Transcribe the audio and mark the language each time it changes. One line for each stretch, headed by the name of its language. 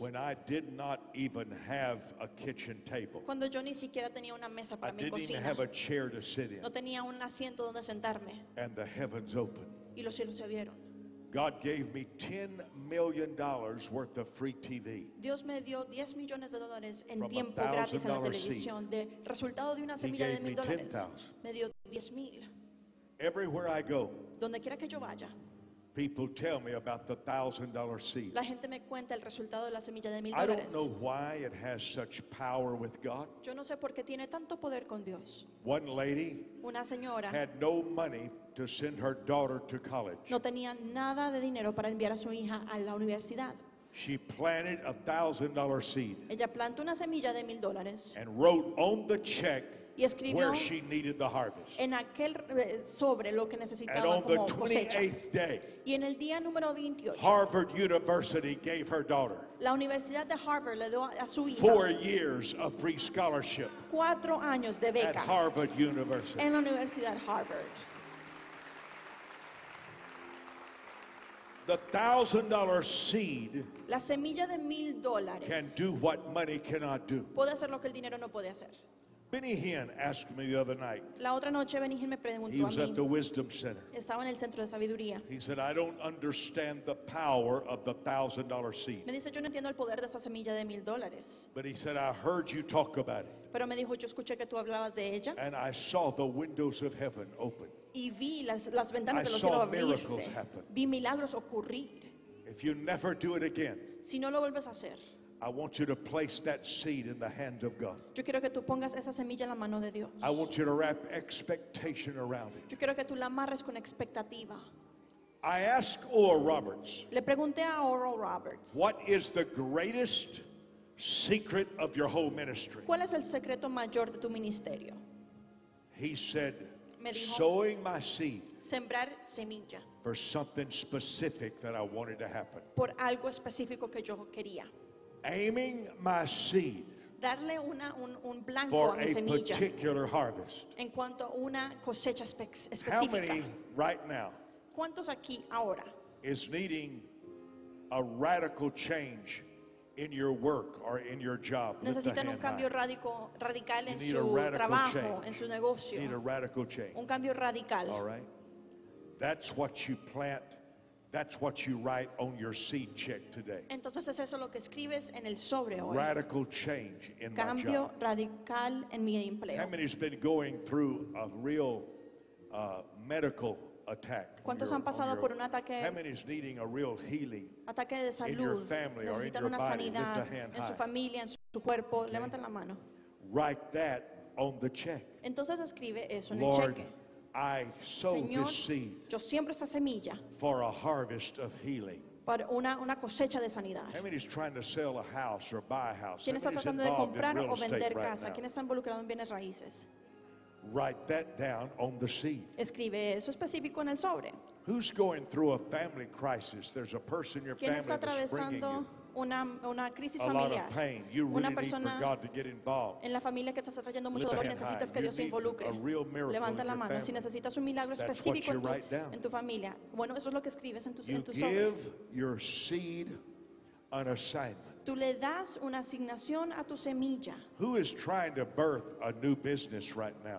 English: When I did not even have a kitchen table.
Spanish: Cuando yo ni siquiera tenía una mesa para
English: I
Spanish: mi cocina.
English: I didn't even have a chair to sit in.
Spanish: No tenía un asiento donde sentarme.
English: And the heavens opened.
Spanish: Y los cielos se abrieron.
English: God gave me $10 million worth of free TV.
Spanish: Dios me dio 10 millones de dólares en tiempo gratis en la televisión de resultado de una semilla de $1,000. Me dio 10,000.
English: Everywhere I go.
Spanish: Donde quiera que yo vaya.
English: People tell me about the $1,000 seed.
Spanish: La gente me cuenta el resultado de la semilla de
English: $1,000. I don't know why it has such power with God.
Spanish: Yo no sé por qué tiene tanto poder con Dios.
English: One lady
Spanish: una señora
English: had no money to send her daughter to college.
Spanish: No tenía nada de dinero para enviar a su hija a la universidad.
English: She planted a $1,000 seed.
Spanish: Ella plantó una semilla de $1,000.
English: And wrote on the check
Spanish: y escribió
English: where she needed the harvest.
Spanish: En aquel sobre lo que necesitaba
English: and on
Spanish: como
English: the 28th day,
Spanish: y en el día número 28,
English: Harvard University gave her daughter
Spanish: la Universidad de Harvard le dio a su hija
English: 4 years of free scholarship
Spanish: 4 años de beca
English: at Harvard University.
Spanish: En la Universidad Harvard.
English: The $1,000 seed
Spanish: la semilla de $1,000
English: can do what money cannot do.
Spanish: Puede hacer lo que el dinero no puede hacer.
English: Benny Hinn asked me the other night.
Spanish: La otra noche Benny Hinn me preguntó a mí.
English: He was at the Wisdom Center.
Spanish: Estaba en el centro de sabiduría.
English: He said, "I don't understand the power of the $1,000 seed."
Spanish: Me dice, yo no entiendo el poder de esa semilla de $1,000.
English: But he said, "I heard you talk about it."
Spanish: Pero me dijo, yo escuché que tú hablabas de ella.
English: And I saw the windows of heaven open.
Spanish: Y vi las ventanas de los cielos abrirse.
English: I saw miracles happen.
Spanish: Vi milagros ocurrir.
English: If you never do it again.
Spanish: Si no lo vuelves a hacer.
English: I want you to place that seed in the hand of God.
Spanish: Yo quiero que tú pongas esa semilla en la mano de Dios.
English: I want you to wrap expectation around it.
Spanish: Yo quiero que tú la amarres con expectativa.
English: I ask Oral Roberts.
Spanish: Le pregunté a Oral Roberts.
English: What is the greatest secret of your whole ministry?
Spanish: ¿Cuál es el secreto mayor de tu ministerio?
English: He said, sowing my seed.
Spanish: Sembrar semilla.
English: For something specific that I wanted to happen.
Spanish: Por algo específico que yo quería.
English: Aiming my seed
Spanish: darle un blanco
English: for
Spanish: a, mi semilla
English: a particular harvest.
Spanish: En cuanto a una cosecha específica.
English: How many right now
Spanish: ¿cuántos aquí ahora
English: is needing a radical change in your work or in your job?
Spanish: Necesitan un cambio radical en su trabajo, en su negocio.
English: Need a radical change.
Spanish: Un cambio radical.
English: All right. That's what you plant That's what you write on your seed check today.
Spanish: Entonces es eso lo que escribes en el sobre hoy.
English: Radical change in
Spanish: Cambio
English: my job.
Spanish: Radical en mi empleo.
English: How many has been going through a real medical attack?
Spanish: ¿Cuántos your, han pasado your, por un ataque?
English: How many is needing a real healing?
Spanish: Ataque de salud.
English: In your family or in your body. Lift a hand high.
Spanish: En su familia, en su cuerpo. Okay. Levanten la mano.
English: Write that on the check.
Spanish: Entonces escribe eso en
English: Lord,
Spanish: el cheque.
English: I sow
Spanish: Señor,
English: this seed
Spanish: yo siembro esa semilla
English: for a harvest of healing.
Spanish: Para una cosecha de sanidad.
English: How many is trying to sell a house or buy a house?
Spanish: ¿Quién está tratando de comprar o vender casa? ¿Quién está involucrado en bienes raíces?
English: Write that down on the seed.
Spanish: Escribe eso específico en el sobre.
English: Who's going through a family crisis? There's a person in your family that's bringing you.
Spanish: Una crisis a familiar.
English: Lot of pain. You really
Spanish: una persona
English: need for God to get involved.
Spanish: En la familia que estás atrayendo mucho dolor, necesitas que
English: you
Spanish: Dios se involucre. Levanta la mano. Si necesitas un milagro
English: That's
Spanish: específico en tu familia, bueno, eso es lo que escribes en tu
English: you
Spanish: en tu
English: give
Spanish: sobre.
English: Your seed an assignment.
Spanish: Tú le das una asignación a tu semilla.
English: Who is trying to birth a new business right now?